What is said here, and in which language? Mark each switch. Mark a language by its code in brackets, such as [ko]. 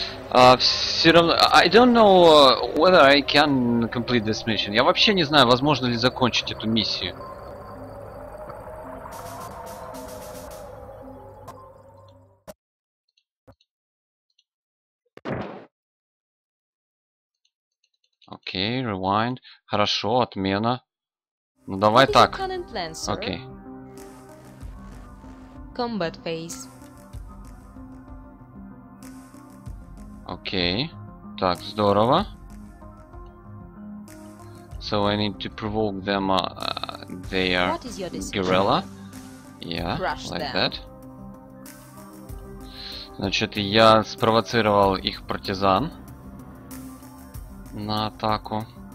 [en] I don't know whether I can complete this mission. [ru] Я вообще не знаю, возможно ли закончить эту миссию. Окей, rewind. Хорошо, отмена. Ну давай так. Окей. [en] Combat phase. [ru] Окей. Так, здорово. [en] So I need to provoke them their guerrilla. Yeah, crush like them. That. [ru] Значит, я спровоцировал их партизан на атаку.